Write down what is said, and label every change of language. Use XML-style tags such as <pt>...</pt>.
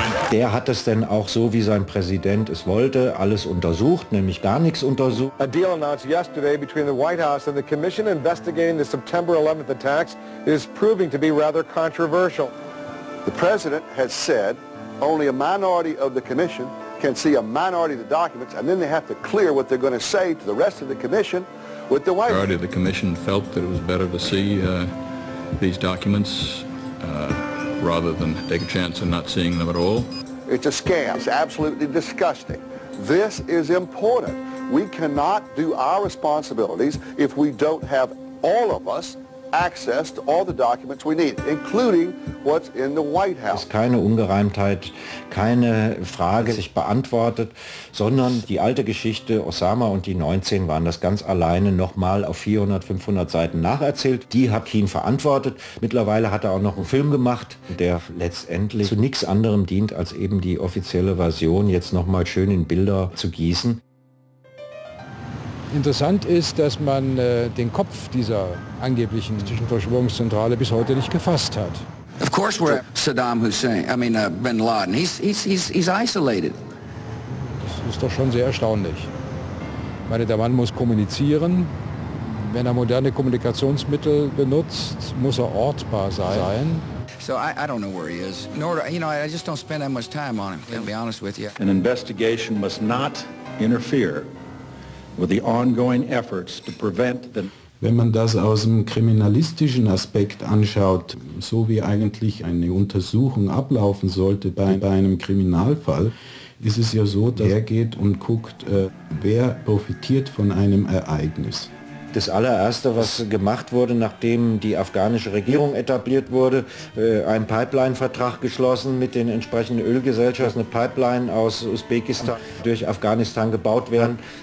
<de>Der hat es denn auch so, wie sein Präsident es wollte, alles untersucht, nämlich gar nichts untersucht.</de> <en>A deal announced yesterday between the White House and the commission investigating the September 11th attacks is proving to be rather controversial. The president has said only a minority of the commission can see a minority of the documents, and then they have to clear what they're going to say to the rest of the commission with the White House. The majority of the commission felt that it was better to see these documents rather than take a chance of not seeing them at all. It's a scam. It's absolutely disgusting. This is important. We cannot do our responsibilities if we don't have all of us access to all the documents we need, including what's in the White House.</en> <de>Es ist keine Ungereimtheit, keine Frage sich beantwortet, sondern die alte Geschichte, Osama und die 19 waren das ganz alleine nochmal auf 400, 500 Seiten nacherzählt. Die hat Keane verantwortet. Mittlerweile hat er auch noch einen Film gemacht, der letztendlich zu nichts anderem dient, als eben die offizielle Version jetzt nochmal schön in Bilder zu gießen. Interessant ist, dass man den Kopf dieser angeblichen Verschwörungszentrale bis heute nicht gefasst hat.</de> <en>Of course we're Saddam Hussein, I mean Bin Laden. He's isolated.</en> <de>Das ist doch schon sehr erstaunlich. Ich meine, der Mann muss kommunizieren. Wenn er moderne Kommunikationsmittel benutzt, muss er ortbar sein.</de> <en>So I don't know where he is. Nor, you know, I just don't spend that much time on him, to be honest with you. An investigation must not interfere with the ongoing efforts to prevent the...</en> <de>Wenn man das aus dem kriminalistischen Aspekt anschaut, so wie eigentlich eine Untersuchung ablaufen sollte bei einem Kriminalfall, ist es ja so, dass er geht und guckt, wer profitiert von einem Ereignis. Das allererste, was gemacht wurde, nachdem die afghanische Regierung etabliert wurde, ein Pipeline-Vertrag geschlossen mit den entsprechenden Ölgesellschaften, eine Pipeline aus Usbekistan durch Afghanistan gebaut werden.</de>